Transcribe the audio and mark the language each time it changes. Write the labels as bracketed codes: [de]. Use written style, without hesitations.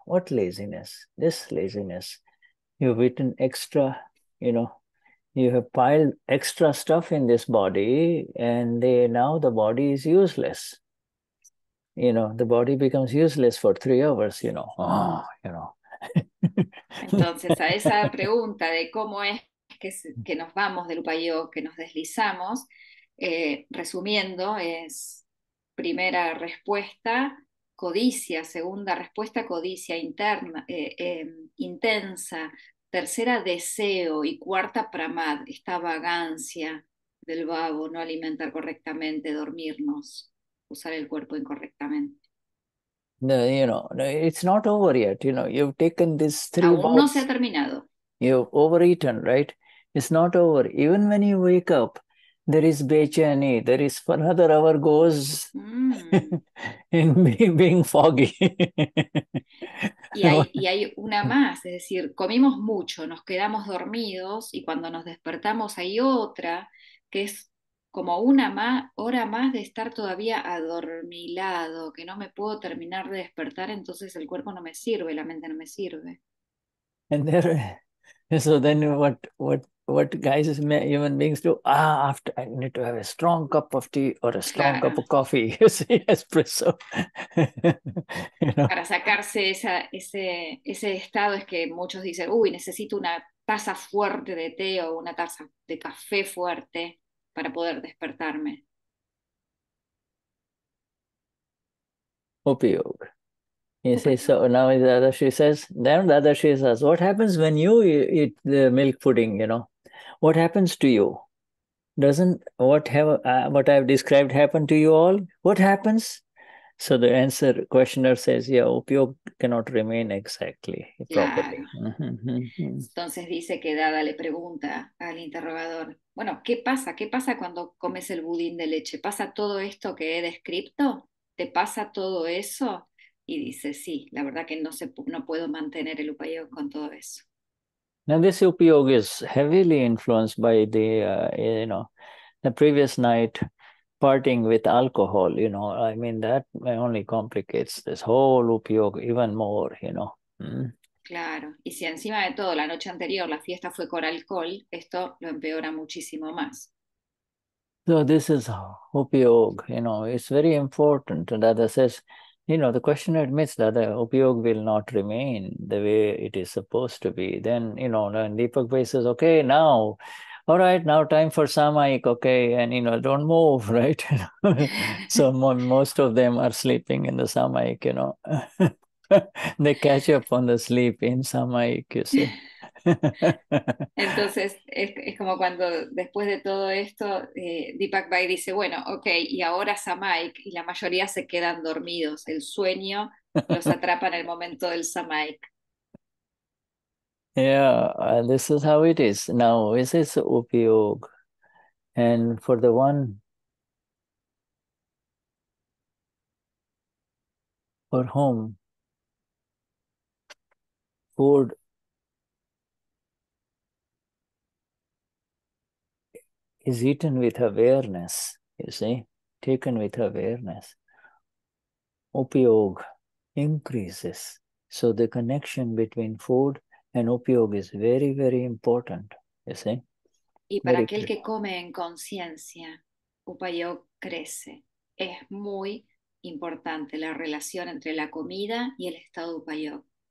[en] What laziness? This laziness. You've eaten extra, you know, you have piled extra stuff in this body, and now the body is useless. You know, the body becomes useless for 3 hours, you know. Oh, you know. [es] Entonces, a esa pregunta de cómo es que nos vamos del upayo, que nos deslizamos, resumiendo, es primera respuesta, codicia; segunda respuesta, codicia interna, intensa; tercera, deseo; y cuarta, pramad, esta vagancia del babo, no alimentar correctamente, dormirnos, usar el cuerpo incorrectamente. [en] No, you know, it's not over yet. You know, you've taken these three [es] Aún [en] bouts. [es] No se ha terminado. [en] You've overeaten, right? It's not over. Even when you wake up, there is becheni. There is another hour goes in being foggy. [es] y hay una más. Es decir, comimos mucho, nos quedamos dormidos, y cuando nos despertamos hay otra que es como una hora más de estar todavía adormilado, que no me puedo terminar de despertar, entonces el cuerpo no me sirve, la mente no me sirve. [en] And there, so then what guys, human beings do, after I need to have a strong cup of tea or a strong cup of coffee, you see, espresso. You know? [es] Para sacarse ese estado es que muchos dicen, uy, necesito una taza fuerte de té o una taza de café fuerte para poder despertarme. [gu] Upayog. [en] You see, so now Dadashri says, then Dadashri says, what happens when you eat the milk pudding, you know? What happens to you? Doesn't what I've described happen to you all? What happens? So the answer, questioner says, yeah, upayog cannot remain exactly, properly. [es] Entonces dice que Dada le pregunta al interrogador, bueno, ¿qué pasa? ¿Qué pasa cuando comes el budín de leche? ¿Pasa todo esto que he descrito? ¿Te pasa todo eso? Y dice, sí, la verdad que no puedo mantener el upayog con todo eso. [en] Now this upayog is heavily influenced by the, you know, the previous night parting with alcohol, you know. I mean, that only complicates this whole upayog even more, you know. [es] Claro, y si encima de todo la noche anterior la fiesta fue con alcohol, esto lo empeora muchísimo más. [en] So this is upayog, you know, it's very important. And Dada says, you know, the questioner admits that the upayog will not remain the way it is supposed to be. Then, you know, and Deepak Bhai says, okay, now, all right, now time for samayik, okay, and, you know, don't move, right? So most of them are sleeping in the samayik, you know. They catch up on the sleep in samayik, you see. [es] Entonces es como cuando después de todo esto Deepak Bhai dice, bueno, ok, y ahora samayik, y la mayoría se quedan dormidos, el sueño los atrapa en el momento del samayik. [en] Yeah, this is how it is. Now this is upayog, and for the one, for whom food is eaten with awareness, you see, taken with awareness, upayog increases. So the connection between food and upayog is very, very important, you see. [es] Y para aquel que come en conciencia, upayog crece. Es muy importante la relación entre la comida y el estado de upayog.